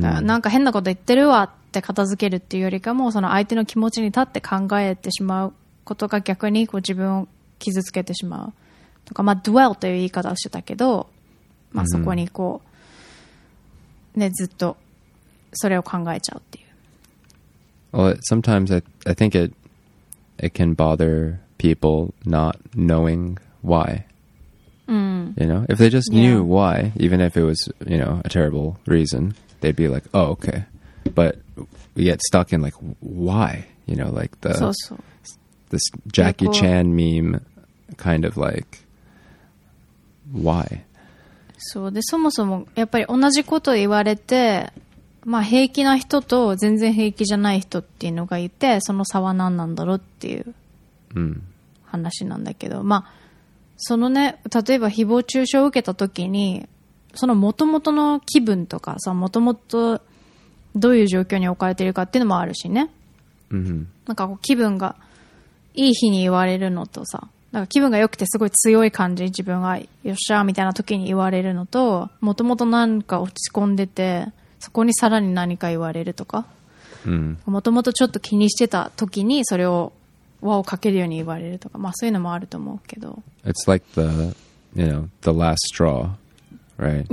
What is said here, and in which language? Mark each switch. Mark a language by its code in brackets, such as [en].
[ja] なんか変なこと言ってるわって片付けるっていうよりかも、その相手の気持ちに立って考えてしまうことが逆にこう自分を傷つけてしまうとか、まあ、dwell という言い方をしてたけど、まあ、そこにこう、うん、ね、ずっとそれを考えちゃうっていう。 [en] Well, sometimes I think it can bother people not knowing why. You know, if they just knew why, even if it was, you know, a terrible reason, they'd be like, oh, okay. But we get stuck in like, why? You know, like the this Jackie Chan meme kind of like, why? So, [ja] で、そもそもやっぱり同じこと言われて、まあ、平気な人と全然平気じゃない人っていうのがいて、その差は何なんだろうっていう話なんだけど、うん、まあ、そのね、例えば誹謗中傷を受けた時に、その元々の気分とかさ、元々どういう状況に置かれてるかっていうのもあるしね、うん、なんかこう気分がいい日に言われるのとさ、なんか気分が良くてすごい強い感じ、自分がよっしゃーみたいな時に言われるのと、元々なんか落ち込んでてそこにさらに何か言われるとか、うん、元々ちょっと気にしてた時にそれを輪をかけるように言われるとか、まあそういうのもあると思うけど、 [en] It's like the, you know, the last straw, right?